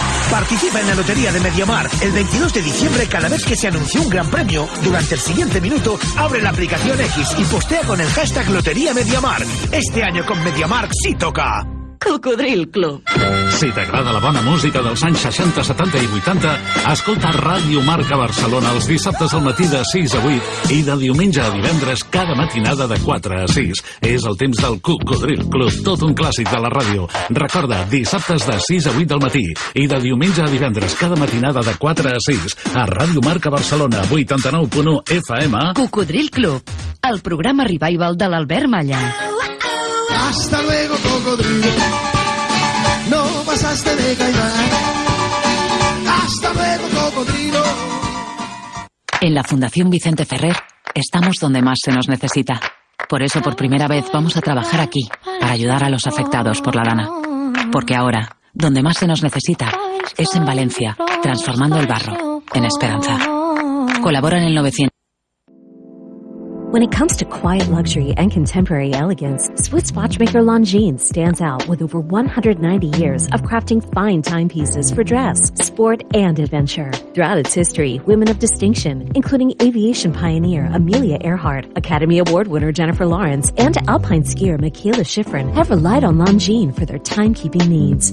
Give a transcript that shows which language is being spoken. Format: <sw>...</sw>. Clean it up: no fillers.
<es>Participa en la lotería de MediaMarkt el 22 de diciembre cada vez que se anuncie un gran premio. Durante el siguiente minuto, abre la aplicación X y postea con el hashtag Lotería MediaMarkt. Este año con MediaMarkt sí toca.</es> <ca>Cocodril Club. Si t'agrada la bona música dels anys 60, 70 i 80, escolta Ràdio Marca Barcelona els dissabtes al matí de 6 a 8 i de diumenge a divendres cada matinada de 4 a 6. És el temps del Cocodril Club, tot un clàssic de la ràdio. Recorda, dissabtes de 6 a 8 del matí i de diumenge a divendres cada matinada de 4 a 6 a Ràdio Marca Barcelona 89.1 FM. Cocodril Club, el programa revival de l'Albert Malla.</ca> <es>Hasta luego, cocodrilo, no pasaste de caimán. Hasta luego, cocodrilo. En la Fundación Vicente Ferrer estamos donde más se nos necesita. Por eso, por primera vez, vamos a trabajar aquí, para ayudar a los afectados por la Dana. Porque ahora, donde más se nos necesita, es en Valencia, transformando el barro en esperanza. Colabora en el 900.</es> <en>When it comes to quiet luxury and contemporary elegance, Swiss watchmaker Longines stands out with over 190 years of crafting fine timepieces for dress, sport, and adventure. Throughout its history, women of distinction, including aviation pioneer Amelia Earhart, Academy Award winner Jennifer Lawrence, and alpine skier Michaela Schifrin, have relied on Longines for their timekeeping needs.</en>